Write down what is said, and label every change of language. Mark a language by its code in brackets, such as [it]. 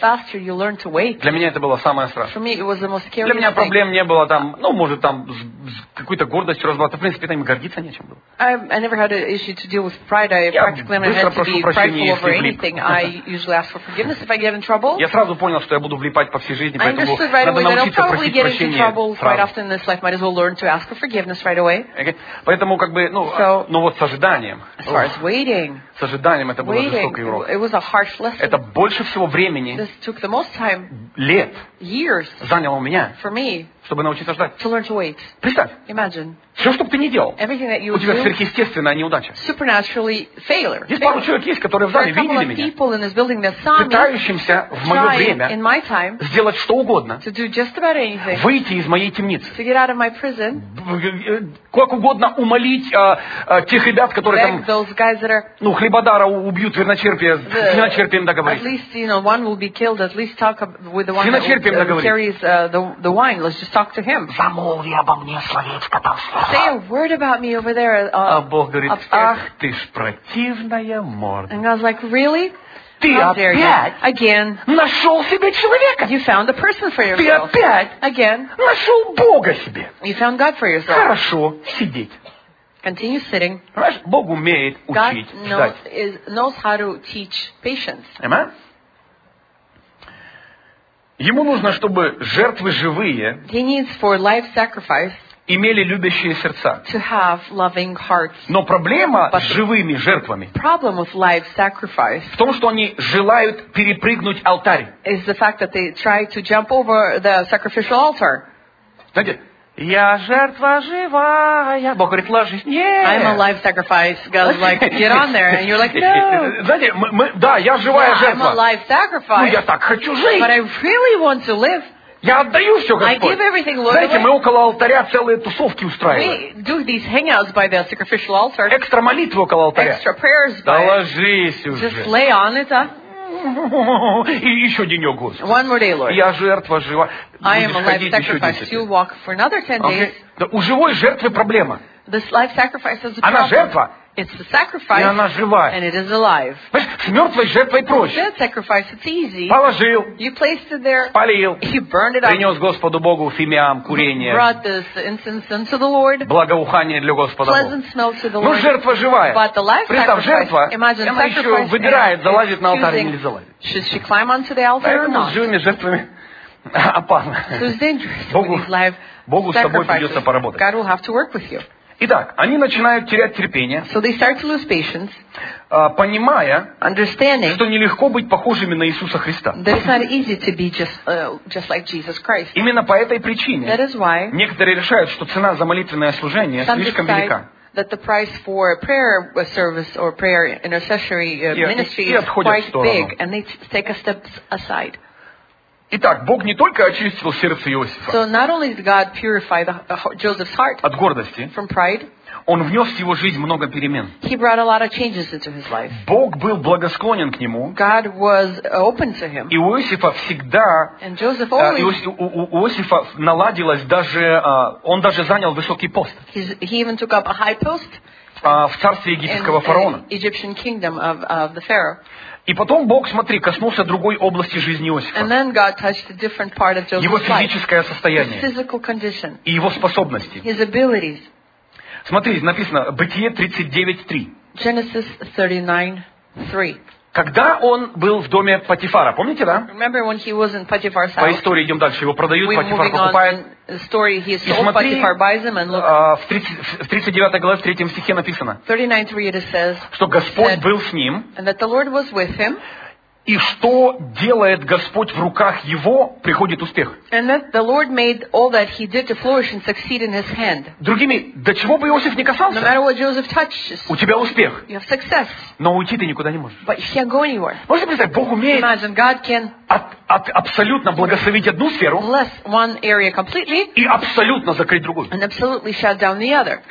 [ru] Для меня это было самое страшное. [en] Me, [ru] для меня проблем не было там, ну, может, там, с какой-то гордостью разбираться. В принципе, там гордиться нечем было. [en] I never had an issue to deal with pride. I practically never had to be [ru] я сразу понял, что я буду влипать по всей жизни, поэтому надо научиться просить прощения [en] Quite often in this life, might as well learn to ask for forgiveness right away. Okay. [ru] Поэтому, как бы, ну, [en] so, [ru] ну вот с ожиданием. [en] As far as waiting, [ru] с ожиданием это было жестокий урок. [en] It was a harsh lesson. [ru] Это больше всего времени, [en] this took the most time, [ru] лет, [en] years, [ru] заняло у меня, [en] for me, [ru] чтобы научиться ждать. [en] To learn to wait. [ru] Представь. [en] Imagine. [ru] Все, что бы ты ни делал, [en] everything that you [ru] у тебя сверхъестественная неудача. [en] Supernaturally failure. [ru] Здесь пару человек есть, которые в зале видели меня, [en] people in this building that saw me, [ru] пытающимся в мое время [en] in my time, [ru] сделать что угодно, [en] to do just about anything, [ru] выйти из моей темницы, [en] to get out of my prison, [ru] как угодно умолить тех ребят, которые там, [en] those guys that are, [ru] ну, хлебодара убьют, виночерпием договорить. [en] At least, you know, one will be killed, at least talk with the one that carries the wine. Let's just talk to him. [ru] Замолви обо мне словечко там. [en] Say a word about me over there. [ru] А Бог говорит, ах, ты ж противная морда. [en] And I was like, really? [ru] Ты опять [en] again. [ru] Нашел себе человека. [en] You found a person for yourself. [ru] Ты опять [en] again. [ru] Нашел Бога себе. [en] You found God for yourself. [ru] Хорошо сидеть. [en] Continue sitting. [ru] Понимаешь, Бог умеет учить, ждать. [en] God knows how to teach patience. Amen? [ru] Ему нужно, чтобы жертвы живые. [en] He needs for life sacrifice. [ru] Имели любящие сердца. [en] To have loving hearts. [ru] Но проблема с живыми жертвами [en] problem with life sacrifice [ru] в том, что они желают перепрыгнуть алтарь. [en] Is the fact that they try to jump over the sacrificial altar. [ru] Знаете, я жертва живая. Бог говорит, ложись. Нет. [en] I'm a life sacrifice. God's like, get on there. And you're like, no. [ru] Знаете, да, я живая жертва. [en] I'm a life sacrifice. [ru] Ну, я так хочу жить. [en] But I really want to live. [ru] Я отдаю все, Господь. Знаете, мы около алтаря целые тусовки устраиваем. [en] We do these hangouts by the sacrificial altar. [ru] Экстра молитву около алтаря. [en] Extra prayers by. [ru] Да ложись уже. [en] Just lay on it, [ru] И еще денек, Господи. [en] One more day, Lord. [ru] Я жертва жива. [en] I am a life sacrifice. You walk for another 10 days. [ru] Да, у живой жертвы проблема. [en] This life sacrifice is a problem. [ru] Она жертва. [en] It's a sacrifice. [ru] И она живая. [en] And it is alive. [ru] С мертвой жертвой проще. [en] That sacrifice, it's easy. [ru] Положил. [en] You placed it there. [ru] Спалил. [en] You burned it up. [ru] Принес Господу Богу фимиам, курение. [en] Brought this incense unto the Lord. [ru] Благоухание для Господа Бога. [en] Pleasant smell to the Lord. [ru] Но жертва живая. [en] But the life [ru] представь, жертва, [en] imagine [ru] она еще выбирает, залазит на алтарь или не залазит. [en] Should she climb onto the altar [ru] поэтому [en] or not? [ru] С живыми жертвами опасно. [en] So it's dangerous [ru] Богу, [en] with these live sacrifices. [ru] Богу с тобой придется поработать. [en] God will have to work with you. [ru] Итак, они начинают терять терпение, [en] so they start to lose patience, [ru] понимая, [en] understanding, [ru] что нелегко быть похожими на Иисуса Христа. [en] That it's not easy to be just like Jesus Christ. [ru] Именно по этой причине [en] that is why [ru] некоторые решают, что цена за молитвенное служение слишком велика. [en] That the price for prayer service or prayer intercessory ministry is quite big, and they take a step aside. [ru] Итак, Бог не только очистил сердце Иосифа [en] so not only did God purify Joseph's heart [ru] от гордости, [en] from pride, [ru] Он внес в его жизнь много перемен. [en] He brought a lot of changes into his life. [ru] Бог был благосклонен к нему. [en] God was open to him. [ru] И у Иосифа всегда... [en] And Joseph always... [ru] у Иосифа наладилось даже... он даже занял высокий пост. [en] He even took up a high post. [ru] В царстве египетского фараона. [en] Egyptian kingdom of the Pharaoh. [ru] И потом Бог, смотри, коснулся другой области жизни Иосифа. [en] And then God touched a different part of Joseph's [ru] Его физическое состояние. [en] His physical condition. [ru] И его способности. [en] His abilities. [ru] Смотри, написано, Бытие 39:3. [en] Genesis 39:3. [ru] Когда он был в доме Потифара, помните, да? [en] Remember when he was in Potiphar's house? [ru] По истории идем дальше. Его продают, [en] We're [ru] Потифар покупает. [en] The story he sold, смотри, Potiphar buys him and look. [ru] В 39 главе, в 3 стихе написано. [en] 39:3 it says. [ru] Что Господь был с ним. [en] And that the Lord was with him. [ru] И что делает Господь в руках его, приходит успех. [en] And that the Lord made all that he did to flourish and succeed in his hand. [ru] Другими, до чего бы Иосиф не касался. [en] No matter what Joseph touches. [ru] У тебя успех. [en] You have success. [ru] Но уйти ты никуда не можешь. [en] But you can't go anywhere. [ru] Можешь представить, Бог умеет. [en] Imagine God can. [ru] От абсолютно благословить одну сферу и абсолютно закрыть другую. [en] And absolutely shut down the other.